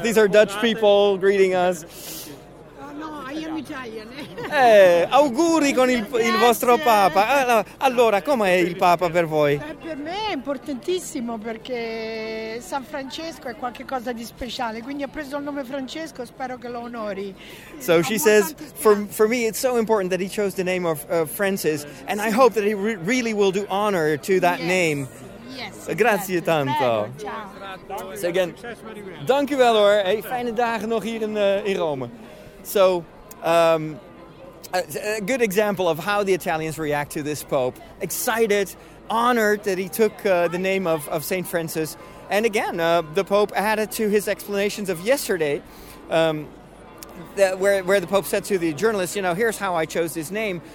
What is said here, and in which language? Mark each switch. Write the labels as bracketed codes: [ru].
[en] These are Dutch people greeting us. No, I am Italian. [it] Auguri con il vostro Papa. Allora, com'è il Papa per voi? Per me è importantissimo, perché San Francesco è qualcosa di speciale. Quindi ho preso il nome Francesco, spero che lo onori. [en] So she says, for me it's so important that he chose the name of Francis, and I hope that he really will do honor to that name. Yes. [it] Grazie tanto. Ciao. [nl] So again, dank u wel hoor. Hey, fijne dagen nog hier in Rome. [en] So, a good example of how the Italians react to this Pope. Excited, honored that he took the name of St. Francis. And again, the Pope added to his explanations of yesterday, where the Pope said to the journalist, you know, here's how I chose this name.